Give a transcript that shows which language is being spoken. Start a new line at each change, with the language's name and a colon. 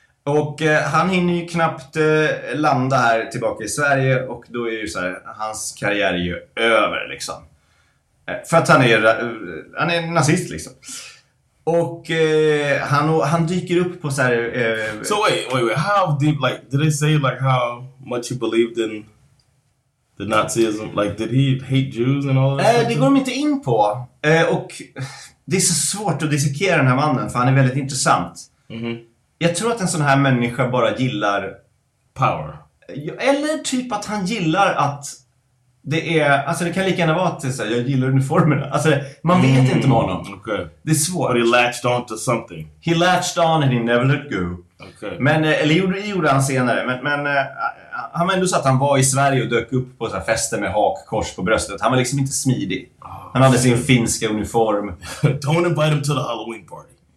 Swedish: Och han hinner ju knappt landa här tillbaka i Sverige. Och då är ju så här, hans karriär är ju över liksom. För att han är nazist liksom. Och han dyker upp på så här.
English: So wait. How deep, like, did they say like how much you believed in the Nazism, like did he hate Jews and all that?
Swedish: Det går de inte in på. Och det är så svårt att dissekera den här mannen, för han är väldigt intressant. Mm-hmm. Jag tror att en sån här människa bara gillar
English: power.
Swedish: Eller typ att han gillar att det är, alltså det kan lika gärna vara att jag gillar uniformerna. Alltså man vet inte med honom.
English: Okay.
Swedish: Det är svårt.
English: But he latched on to something. He latched on and he never let go. Okay.
Swedish: Men, eller gjorde han senare. Men han var ändå så att han var i Sverige och dök upp på så här fester med hakkors på bröstet. Han var liksom inte smidig. Han hade sin finska uniform.
English: Don't invite him to the Halloween party.